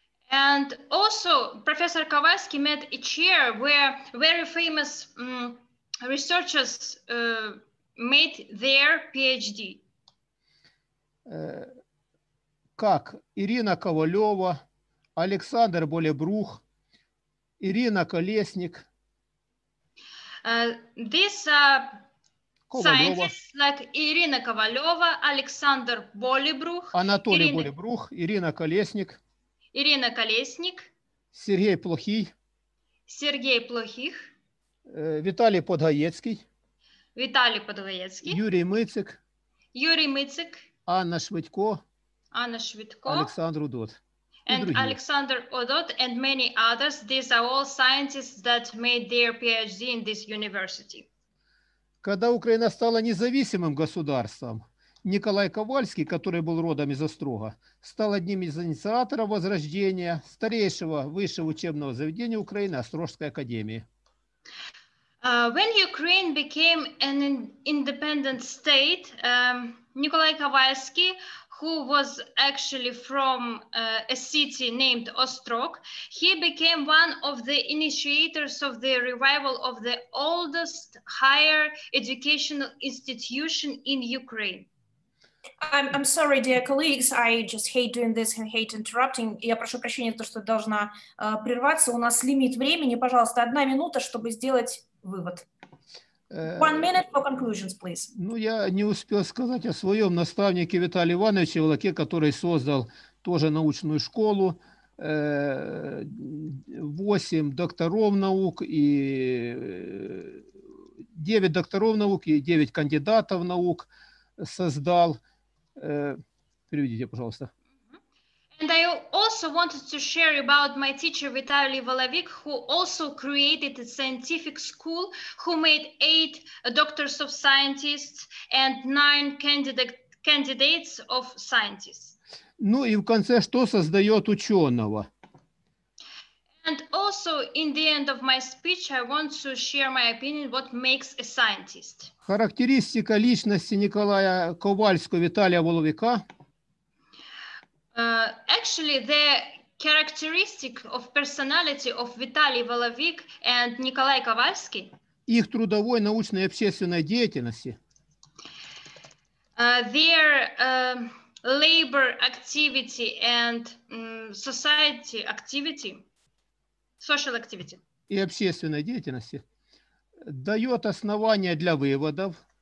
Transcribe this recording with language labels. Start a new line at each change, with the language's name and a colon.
English: And also Professor Kowalski met a chair where very famous researchers made their PhD.
Russian: Как Ирина Ковалева, Александр Болебрух, Ирина Колесник.
English: Scientists like Ирина Ковалева, Александр Болебрух,
Russian: Анатолий Болебрух, Ирина Колесник. Ирина Колесник. Сергей Плохий. Сергей Плохих. Виталий Подгаецкий. Виталий Подгаецкий. Юрий Мицик. Юрий Мицик. Анна Швидко. Анна Швидко. Александр Удот.
English: And Александр Удот and many others. These are all scientists that made their PhD in this university.
Russian: Когда Украина стала независимым государством, Николай Ковальский, который был родом из Острога, стал одним из инициаторов возрождения старейшего высшего учебного заведения Украины – Острожской академии.
English: When Ukraine became an independent state, Николай Ковальский, who was actually from a city named Ostrog, he became one of the initiators of the revival of the oldest higher educational institution in Ukraine. I'm sorry, dear colleagues, I just hate doing this and hate interrupting.
Russian: Я прошу прощения, то, что должна прерваться. У нас лимит времени, пожалуйста, одна минута, чтобы сделать вывод.
English: One minute for conclusions, please.
Russian: Ну, я не успел сказать о своем наставнике Виталии Ивановиче Волоке, который создал тоже научную школу, 8 докторов наук и 9 докторов наук и 9 кандидатов наук создал. Переведите, пожалуйста.
English: And I also wanted to share about my teacher Vitaly Volovik, who also created a scientific school, who made 8 doctors of scientists and 9 candidates of scientists.
Russian: Ну и в конце, что создает ученого?
English: And also in the end of my speech, I want to share my opinion what makes a scientist.
Russian: Характеристика личности Николая Ковальского Виталия Воловика.
English: Actually, the characteristic of personality of Vitaly Volovik and Nikolai Kovalsky.
Russian: Их трудовой, научной и общественной деятельности.
English: Their labor activity and society activity. Social activity.
Russian: И общественной деятельности дает основания для выводов.